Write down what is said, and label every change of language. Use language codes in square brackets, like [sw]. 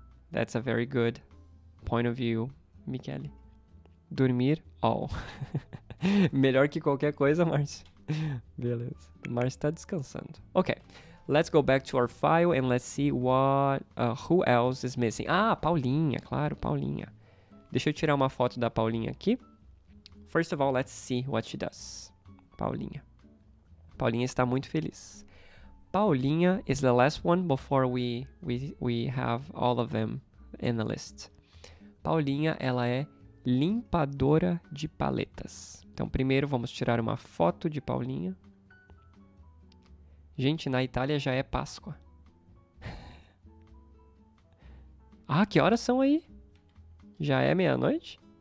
[en] That's a very good point of view, Michele. [pt] Dormir, [en] all. [pt] Melhor que qualquer coisa, Márcio. Beleza. Márcio está descansando. Ok. [en] Let's go back to our file and let's see what... who else is missing? Ah, Paulinha, claro, Paulinha. [pt] Deixa eu tirar uma foto da Paulinha aqui. [en] First of all, let's see what she does. Paulinha. [pt] Paulinha está muito feliz. [en] Paulinha is the last one before we have all of them in the list. [pt] Paulinha, ela é limpadora de paletas. Então, primeiro vamos tirar uma foto de Paulinha. Gente, na Itália já é Páscoa. Ah, que horas são aí? Já é meia-noite?